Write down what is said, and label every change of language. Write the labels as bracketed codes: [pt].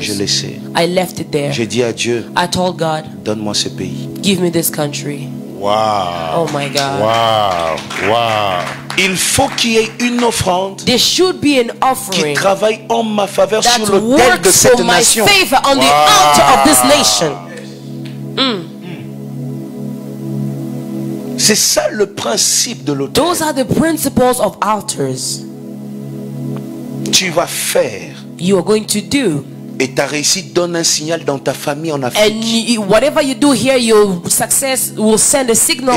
[fr] Je l'ai laissé. [en] I left it there. [fr] J'ai dit à Dieu. [en] I told God. [fr] Donne-moi ce pays. [en] Give me this country. Wow. Oh my God. Wow. Wow. [fr] Il faut qu'il y ait une offrande. [en] There should be an offering. [fr] Qui travaille en ma faveur sur l'autel de cette nation. [en] That works for my favor on the altar of this nation. [fr] C'est ça le principe de l'autel. [en] Those are the principles of altars. [fr] Tu vas faire. [en] You are going to do. [fr] Et ta réussite donne un signal dans ta famille en Afrique. [en] And whatever you do here, your success will send a signal